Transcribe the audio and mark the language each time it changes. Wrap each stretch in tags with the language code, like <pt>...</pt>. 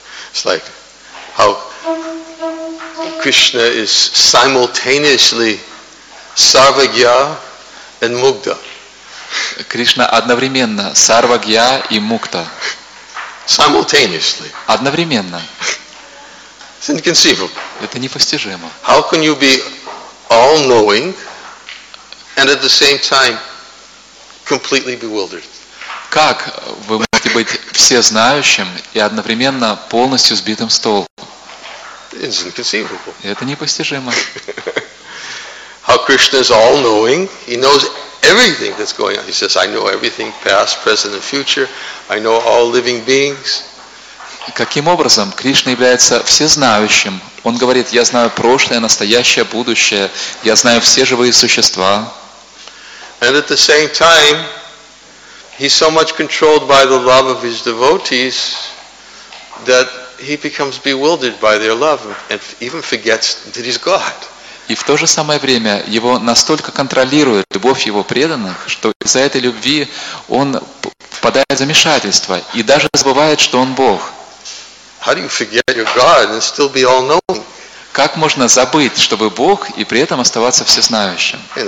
<en>It's like how Krishna is simultaneously sarvagya and mukta.</en> <ru>Кришна одновременно сарвагья и мукта.</ru> <en>Simultaneously.</en> <ru>Одновременно.</ru> <en>It's inconceivable.</en> <ru>Это непостижимо.</ru> <en>How can you be all-knowing and at the same time completely bewildered?</en> <ru>Как вы можете быть всезнающим и одновременно полностью сбитым с толку?</ru> <en>It's inconceivable.</en> <ru>Это непостижимо.</ru> <en>How Krishna is all-knowing, he knows everything that's going on. He says, I know everything, past, present and future. I know all living beings.</en> <ru>Каким образом Кришна является всезнающим? Он говорит, я знаю прошлое, настоящее, будущее, я знаю все живые существа.</ru> <en>And at the same time, he's so much controlled by the love of his devotees that he becomes bewildered by their love and even forgets that he's God.</en> <ru>И в то же самое время его настолько контролирует любовь его преданных, что из-за этой любви он впадает в замешательство и даже забывает, что он Бог.</ru> <en>How do you forget your God and still be all-knowing?</en> <ru>Как можно забыть, что вы Бог, и при этом оставаться всезнающим?</ru>